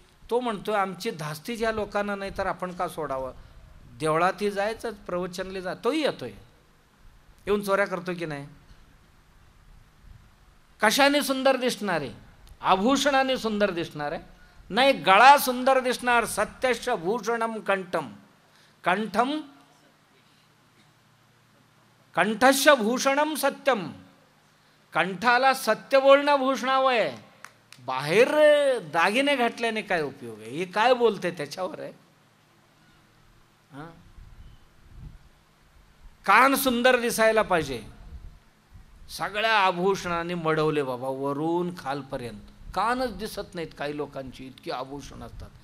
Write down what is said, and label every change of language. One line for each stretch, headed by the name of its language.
Marathi: तो म्हणतो आमची धास्ती ज्या लोकांना नाही तर आपण का सोडावं? देवळातही जायचं, प्रवचनले जा, तोही येतो आहे, येऊन चोऱ्या करतो की नाही? कशाने सुंदर दिसणारे? आभूषणाने सुंदर दिसणारे? नाही, गळा सुंदर दिसणार.
Sanskrit: सत्यश्च भूषणम कंठम, कंठम कंठश्च भूषणम सत्यम.
Marathi: कंठाला सत्य बोलणं भूषणावं आहे, बाहेर दागिने घातल्याने काय उपयोग आहे? हे काय बोलते त्याच्यावर आहे. कान सुंदर दिसायला पाहिजे, सगळ्या आभूषणाने मढवले बाबा वरून खालपर्यंत, कानच दिसत नाहीत काही लोकांची, इतकी आभूषण असतात.